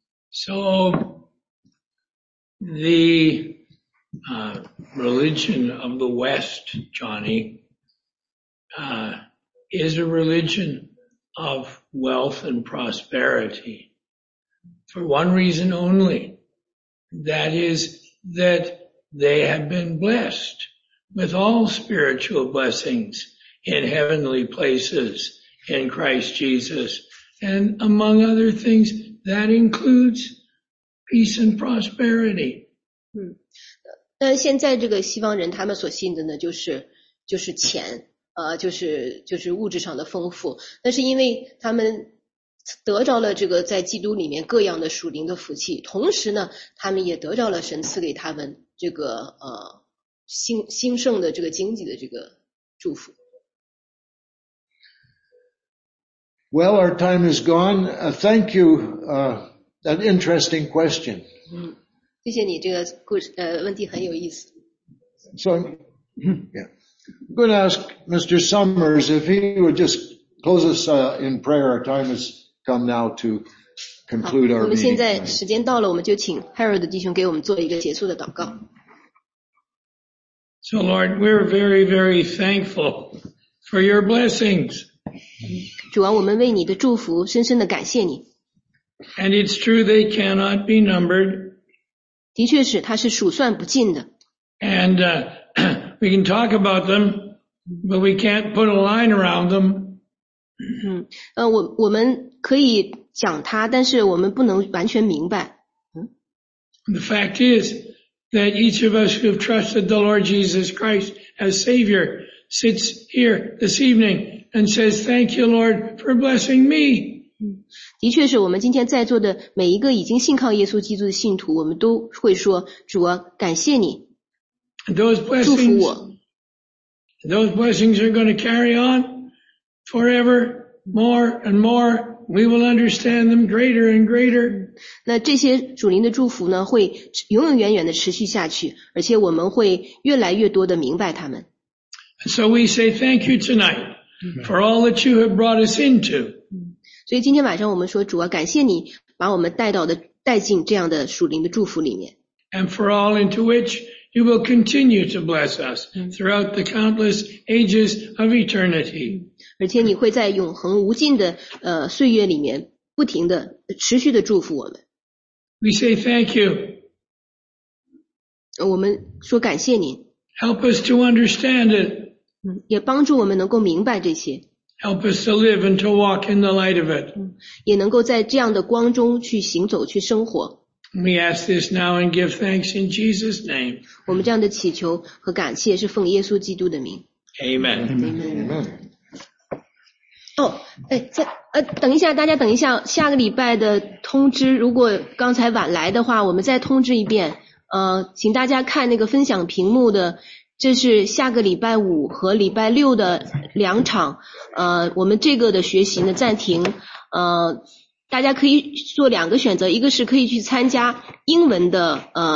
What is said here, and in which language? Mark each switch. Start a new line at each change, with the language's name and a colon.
English: So the religion of the West, Johnny, is a religion of wealth and prosperity for one reason only. That is that they have been blessed with all spiritual blessings in heavenly places in Christ Jesus. And among other things, that includes peace and prosperity.
Chinese: 但现在这个西方人他们所信的呢就是钱，就是物质上的丰富，但是因为他们得着了这个在基督里面各样的属灵的福气，同时呢他们也得着了神赐给他们这个兴盛的这个经济的这个祝福。
English: Well, our time is gone. Thank you. An interesting question.
Chinese: 谢谢你这个故事，问题很有意思。
English: So, yeah. I'm going to ask Mr. Summers if he would just close us in prayer. Our time has come now to conclude our meeting.
Chinese: 我们现在时间到了，我们就请 Harold 弟兄给我们做一个结束的祷告。
English: So, Lord, we're very, very thankful for your blessings.
Chinese: 主啊，我们为你的祝福深深的感谢你。
English: And it's true they cannot be numbered.
Chinese: 的确是，它是数算不尽的。
English: And we can talk about them, but we can't put a line around them.
Chinese: 我们可以讲它，但是我们不能完全明白。
English: The fact is that each of us who have trusted the Lord Jesus Christ as Savior sits here this evening. And says, "Thank you, Lord, for blessing me."
Chinese: 的确是我们今天在座的每一个已经信靠耶稣基督的信徒，我们都会说，主啊，感谢你，祝福我。
English: Those blessings are going to carry on forever, more and more. We will understand them greater and greater.
Chinese: 那这些主灵的祝福呢，会永永远远的持续下去，而且我们会越来越多的明白他们。
English: So we say thank you tonight. For all that you have brought us into.
Chinese: 所以今天晚上我们说主啊感谢你把我们带进这样的属灵的祝福里面。
English: And for all into which you will continue to bless us throughout the countless ages of eternity.
Chinese: 而且你会在永恒无尽的岁月里面不停的持续的祝福我们。
English: We say thank you.
Chinese: 我们说感谢您。
English: Help us to understand it.
Chinese: 也帮助我们能够明白这些。
English: Help us to live and to walk in the light of it.
Chinese: 也能够在这样的光中去行走，去生活。
English: We ask this now and give thanks in Jesus' name.
Chinese: 我们这样的祈求和感谢是奉耶稣基督的名。
English: Amen. Amen.
Chinese: 等一下，大家等一下，下个礼拜的通知，如果刚才晚来的话，我们再通知一遍。请大家看那个分享屏幕的。这是下个礼拜五和礼拜六的两场，我们这个的学习呢暂停，大家可以做两个选择，一个是可以去参加英文的